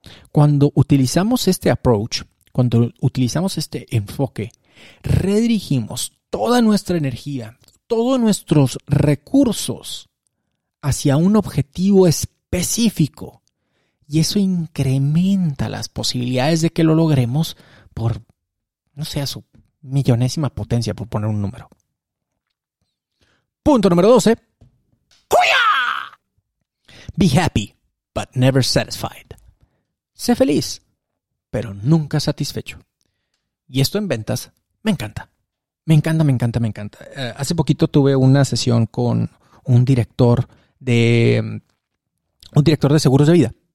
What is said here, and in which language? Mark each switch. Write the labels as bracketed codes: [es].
[es] Cuando utilizamos este approach, cuando utilizamos este enfoque, redirigimos toda nuestra energía, todos nuestros recursos hacia un objetivo específico. Y eso incrementa las posibilidades de que lo logremos por, no sé, a su millonésima potencia, por poner un número. Punto número 12. ¡Huya! [en] Be happy, but never satisfied. [es] Sé feliz, pero nunca satisfecho. Y esto en ventas me encanta. Me encanta, me encanta, me encanta. Hace poquito tuve una sesión con un director de seguros de vida.